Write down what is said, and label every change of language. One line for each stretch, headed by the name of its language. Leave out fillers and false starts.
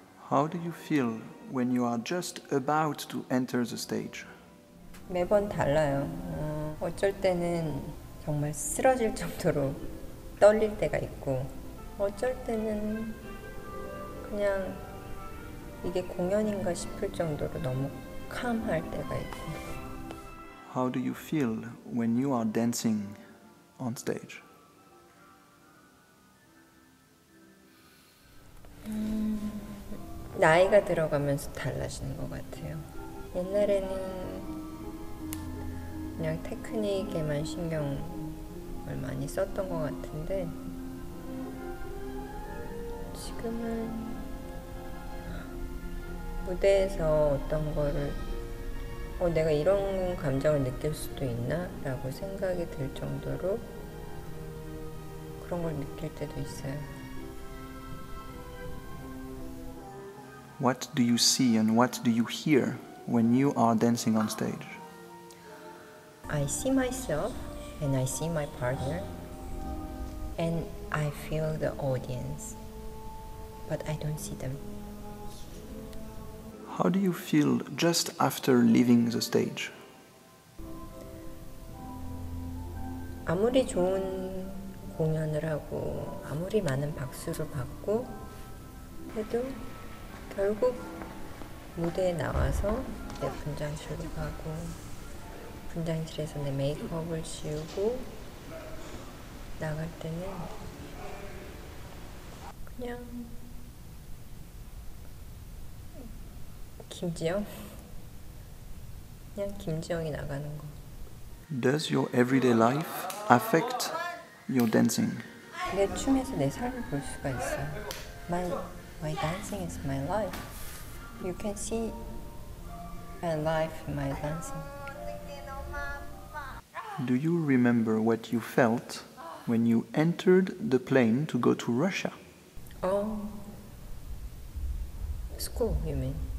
English: How do you feel when you are just about to enter the stage?
Korean: 매번 달라요. 어쩔 때는 정말 쓰러질 정도로 떨릴 때가 있고 어쩔 때는 그냥 이게 공연인가 싶을 정도로 너무 캄할 때가 있고.
English: How do you feel when you are dancing on stage?
Korean: 나이가 들어가면서 달라지는 것 같아요. 옛날에는 그냥 테크닉에만 신경을 많이 썼던 것 같은데 지금은 무대에서 어떤 거를 내가 이런 감정을 느낄 수도 있나? 라고 생각이 들 정도로 그런 걸 느낄 때도 있어요.
English: What do you see and what do you hear when you are dancing on stage? I see myself, and I see my partner, and I feel the audience, but I don't see them. How do you feel just after leaving the stage?
Korean: 아무리 좋은 공연을 하고 아무리 많은 박수를 받고 해도 결국 무대에 나와서 내 분장실로 가고 분장실에서 내 메이크업을 지우고 나갈 때는 그냥 김지영? 그냥 김지영이 나가는 거.
English: Does your everyday life affect your dancing?
Korean: 내 춤에서 내 삶을 볼 수가 있어.
English: My dancing is my life. You can see my life in my dancing. Do you remember what you felt when you entered the plane to go to Russia? Oh, school, you mean?